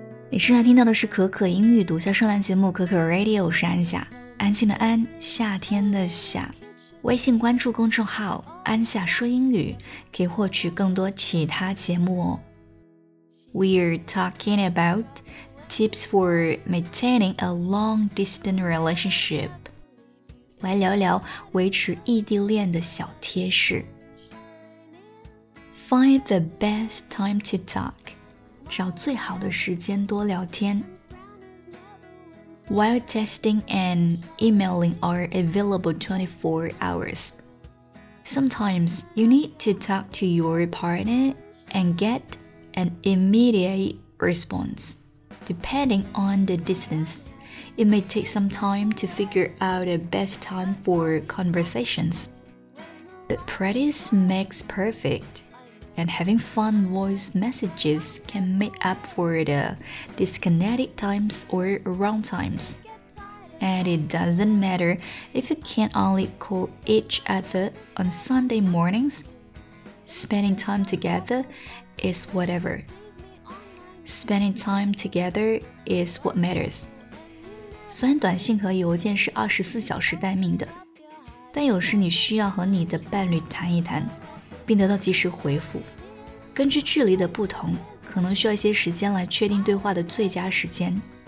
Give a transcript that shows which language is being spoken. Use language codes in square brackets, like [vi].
[zh] 你正在听到的是可可英语独家专栏节目可可 Radio， 我是安夏，安静的安，夏天的夏。微信关注公众号安夏说英语，可以获取更多其他节目哦。 [en] We're talking about tips for maintaining a long-distance relationship. [zh] 我来聊聊维持异地恋的小贴士。 [en] Find the best time to talk. [zh] 找最好的时间多聊天。 [en] While texting and emailing are available 24 hours, sometimes you need to talk to your partner and get an immediate response. Depending on the distance, it may take some time to figure out a best time for conversations. But practice makes perfect, and having fun voice messages can make up for the disconnected times or wrong times. And it doesn't matter if you can only call each other on Sunday mornings, spending time togetheris whatever. Spending time together is what matters. [zh] 虽然短信和邮件是24小时待命的，但有时你需要和你的伴侣谈一谈，并得到及时回复。根据距离的不同，可能需要一些时间来确定对话的最佳时间。